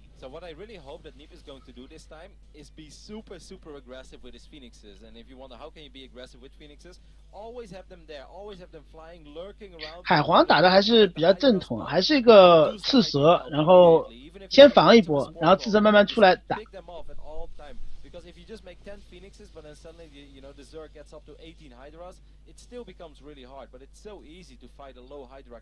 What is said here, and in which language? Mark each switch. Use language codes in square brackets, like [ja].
[en] What I really hope that Nip is going to do this time is be super, super aggressive with his phoenixes. And if you wonder how can you be aggressive with phoenixes, always have them there, always have them flying, lurking around. [zh] 海皇打的还是比较正统，还是一个刺蛇，然后先防一波，然后刺蛇慢慢出来打。 [en] Because if you just make 10 phoenixes, but then suddenly you know the Zerg gets up to 18 Hydras, it still becomes really hard. But it's so easy to fight a low Hydra.